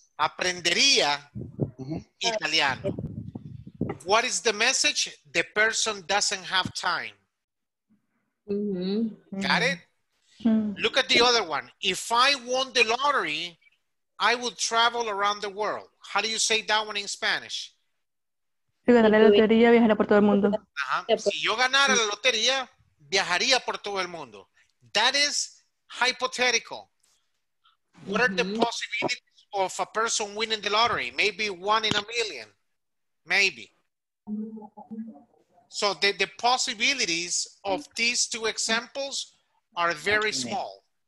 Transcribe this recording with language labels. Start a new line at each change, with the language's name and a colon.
Spanish: Aprendería italiano.
English: What is the message? The person doesn't have time. Mm-hmm. Got it? Look at the other one. If I won the lottery, I would travel around the world. How do you say that one in Spanish?
Spanish: Si ganara la lotería, viajaría por todo el mundo. Si yo ganara la lotería, viajaría por todo el mundo.
English: That is hypothetical. What are the possibilities of a person winning the lottery? Maybe one in a million. Maybe. So the possibilities of these two examples are very small.